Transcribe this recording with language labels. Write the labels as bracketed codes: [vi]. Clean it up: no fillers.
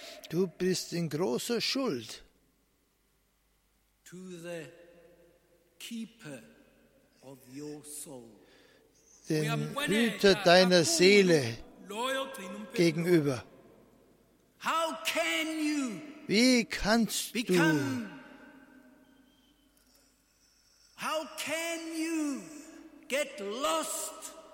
[de] Du bist in großer Schuld. [en] To the keeper of your soul. [de] Dem Hüter deiner Seele gegenüber. [en] How can you? [de] Wie kannst du? [en] How can you get lost?